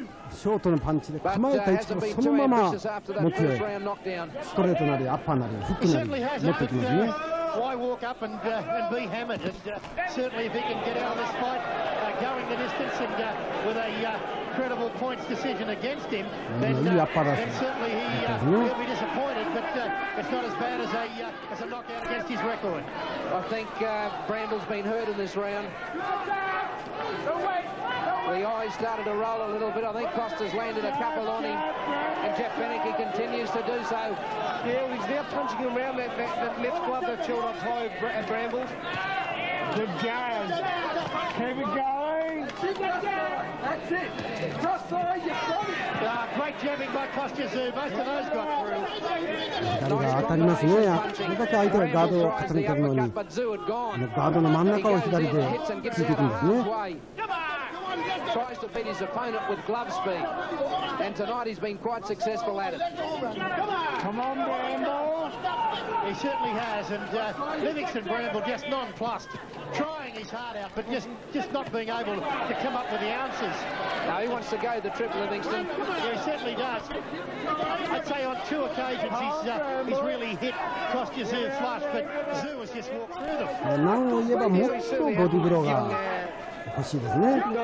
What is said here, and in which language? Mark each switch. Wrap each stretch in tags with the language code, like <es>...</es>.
<ja>ショートのパンチで構えた位置からそのまま目標へ、ストレートなり、アッパーなり、フックなり持ってきますね。</ja> <en>Why walk up and be hammered? And certainly if he can get out of this fight going the distance and with a credible points decision against him, then certainly he'll be disappointed, but it's not as bad as a knockout against his record. I think Bramble's been hurt in this round. The eyes started to roll a little bit. I think Costa's landed a couple on him. And Jeff Fennecke continues to do so. Yeah, he's now punching around that left glove that's held up high, Bramble. Good game. Keep it going. That's it. Cross side, you've got it. Great jabbing by Kostya Tszyu. Most of those got through.</en> <ja>が当たりますね。これだけ相手がガードを固めているのに、ガードの真ん中を左で突いていくんですね。</ja> <en>tries to beat his opponent with glove speed. And tonight he's been quite successful at it. Come on, Bramble. He certainly has. And Livingstone Bramble just nonplussed, trying his heart out, but just not being able to come up with the answers. No, he wants to go the trip, Livingstone. Yeah, he certainly does. I'd say on two occasions he's really hit Kostya Tszyu flush, but Tszyu has just walked through them.</en> <ja>なお言えばもっとボディブローが欲しいですね。</ja>